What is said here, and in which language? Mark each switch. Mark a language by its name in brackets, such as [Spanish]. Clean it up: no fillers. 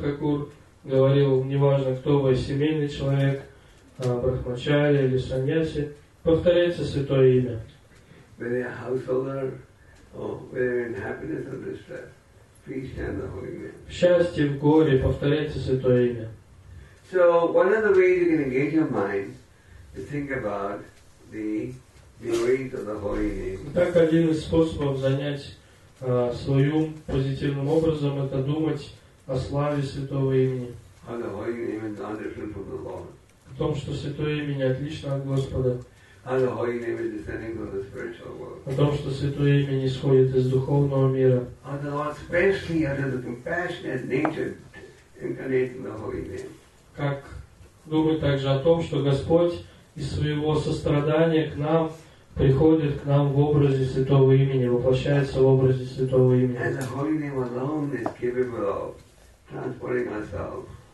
[Russian] Такур говорил, неважно, кто вы, семейный человек, брахмачари или саньяси, повторяйте святое имя. В счастье, в горе, повторяйте святое имя. [English] So, one of the ways you can engage your mind think about the glories of the holy name. [Russian] Так один из способов занять свой ум позитивным образом – это думать о славе святого имени. [English] How the holy name is not different from the Lord. [Russian] О том, что святое имя отлично от Господа. [English] How the holy name is descending from the spiritual world. [Russian] О том, что святое имя исходит из духовного мира. [English] How the Lord specially has the compassionate nature incarnating the holy name. [Russian] Как думать также о том, что Господь из своего сострадания к нам приходит к нам в образе святого имени, воплощается в образе святого имени. [English] And the holy name alone is capable of transporting ourselves.